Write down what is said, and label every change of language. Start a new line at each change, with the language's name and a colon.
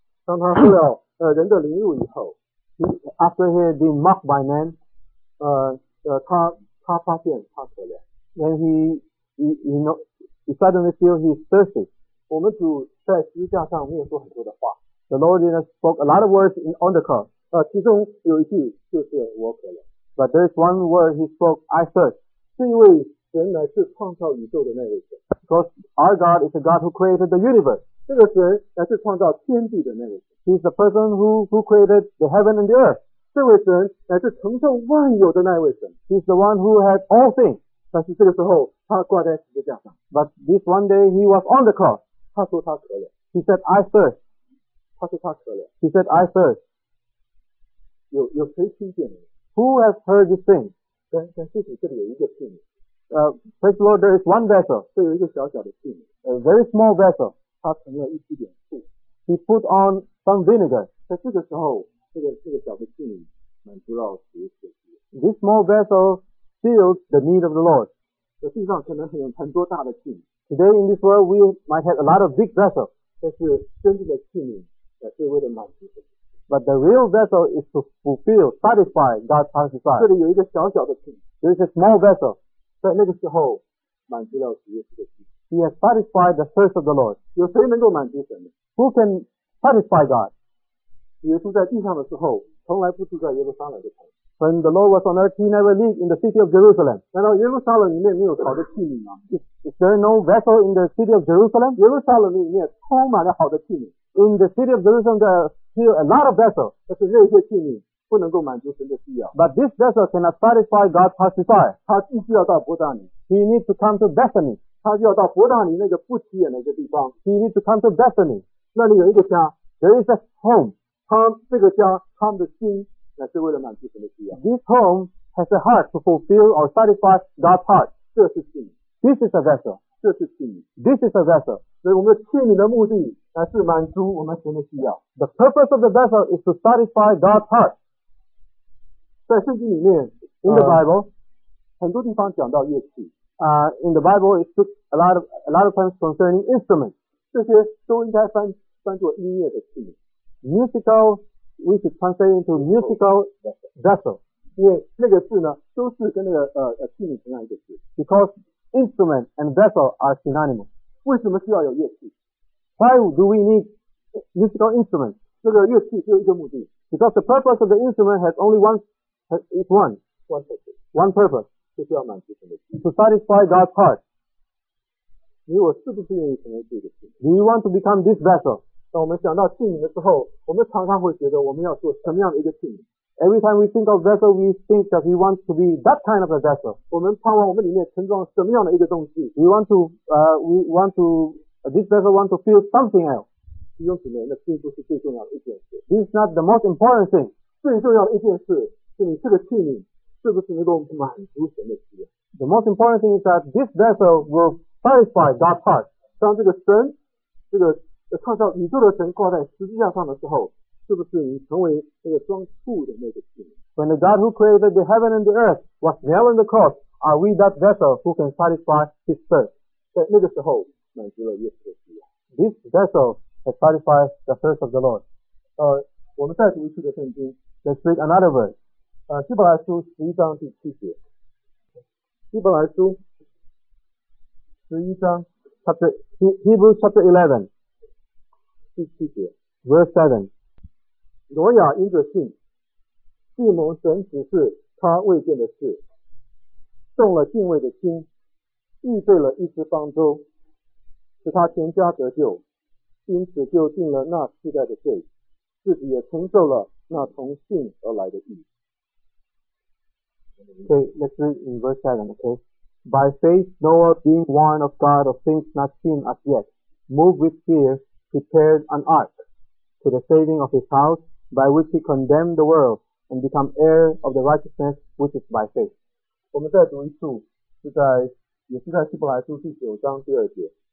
Chinese: 当他喝了人的灵露以后
English: ，After he had been mocked by man，
Chinese: 他发现他渴了
English: ，When he suddenly feel he is thirsty。
Chinese: 我们主在十字架上没有说很多的话。
English: The Lord spoke a lot of words on the cross.
Chinese: 其中有一句就是我渴了。
English: But there is one word he spoke, I thirst.
Chinese: 这一位神乃是创造宇宙的那位神。
English: Because our God is the God who created the universe.
Chinese: 这个神乃是创造天地的那位神。
English: He's the person who created the heaven and the earth.
Chinese: 这位神乃是承受万有的那位神。
English: He's the one who has all things.
Chinese: 但是这个时候他挂在十字架上。
English: But this one day he was on the cross.
Chinese: 他说他渴了。
English: He said, I thirst. He said, I thirst.
Chinese: 有谁听见呢?
English: Who has heard this thing?
Chinese: 但是这里有一个器皿。
English: Praise the Lord, there is one vessel.
Chinese: 这有一个小小的器皿。
English: A very small vessel.
Chinese: 它盛了一点点醋。
English: He put on some vinegar.
Chinese: 在这个时候，这个小的器皿满足了主的需要。
English: This small vessel fills the need of the Lord.
Chinese: 这地上可能有很多大的器皿。
English: Today in this world, we might have a lot of big vessels.
Chinese: 但是真正的器皿是为了满足神。
English: But the real vessel is to fulfill, satisfy God's heart's desire.
Chinese: 这里有一个小小的器皿。
English: There is a small vessel.
Chinese: 在那个时候，满足了主耶稣的心。
English: He has satisfied the thirst of the Lord.
Chinese: 有谁能够满足神呢？
English: Who can satisfy God?
Chinese: 耶稣在地上的时候，从来不住在耶路撒冷的城。
English: When the Lord was on earth, he never lived in the city of Jerusalem.
Chinese: 难道耶路撒冷里面没有好的器皿吗？
English: Is there no vessel in the city of Jerusalem?
Chinese: 耶路撒冷里面充满了好的器皿。
English: In the city of Jerusalem, there are still a lot of vessels.
Chinese: 但是这些器皿不能够满足神的需要。
English: But this vessel cannot satisfy God's heart's desire.
Chinese: 他必须要到伯大尼。
English: He needs to come to Bethany.
Chinese: 他就要到伯大尼那个不起眼的一个地方。
English: He needs to come to Bethany.
Chinese: 那里有一个家。
English: There is a home.
Chinese: 他这个家，他们的心乃是为了满足神的需要。
English: This home has a heart to fulfill or satisfy God's heart.
Chinese: 这是器皿。
English: This is a vessel.
Chinese: 这是器皿。
English: This is a vessel.
Chinese: 所以我们的器皿的目的乃是满足我们神的需要。
English: The purpose of the vessel is to satisfy God's heart.
Chinese: 在圣经里面
English: ，in the Bible，
Chinese: 很多地方讲到乐器。
English: In the Bible, it took a lot of times concerning instruments.
Chinese: 这些都应该翻作音乐的器皿。
English: Musical, we should translate into musical vessel.
Chinese: 因为那个字呢，都是跟那个器皿同样一个字。
English: Because instrument and vessel are synonymous.
Chinese: 为什么需要有乐器？
English: Why do we need musical instruments?
Chinese: 这个乐器只有一个目的。
English: Because the purpose of the instrument has only one purpose. One purpose.
Chinese: 就是要满足神的心。
English: To satisfy God's heart.
Chinese: 你我是不是愿意成为这个器皿？
English: Do you want to become this vessel?
Chinese: 当我们想到器皿的时候，我们常常会觉得我们要做什么样的一个器皿？
English: Every time we think of vessel, we think that we want to be that kind of a vessel.
Chinese: 我们盼望我们里面盛装什么样的一个东西？
English: We want to This vessel wants to feel something else.
Chinese: 弟兄姊妹，那并不是最重要的一件事。
English: This is not the most important thing.
Chinese: 最重要的一件事是你这个器皿是不是能够满足神的需要。
English: The most important thing is that this vessel will satisfy God's heart.
Chinese: 当这个神，这个创造宇宙的神挂在十字架上的时候，是不是你成为那个装醋的那个器皿？
English: When the God who created the heaven and the earth was nailed on the cross, are we that vessel who can satisfy His thirst?
Chinese: 在那个时候。满足了耶稣的需要。
English: This vessel has satisfied the thirst of the Lord.
Chinese: 我们再读一次的圣经。
English: Let's read another verse.
Chinese: 希伯来书十一章第七节。希伯来书
English: Hebrews chapter 11,
Chinese: 第七节,
English: verse 7.
Chinese: 挪亚因着信, 既蒙神指示他未见的事, 动了敬畏的心, 预备了一只方舟, 使他全家得救, 因此就定了那世代的罪, 自己也承受了那从信而来的义。
English: Okay, let's read in verse 7, okay? By faith, Noah, being warned of God of things not seen as yet, moved with fear, prepared an ark to the saving of his house, by which he condemned the world and became heir of the righteousness which is by faith.
Chinese: 我们再读一处, 也是在希伯来书第九章第二节,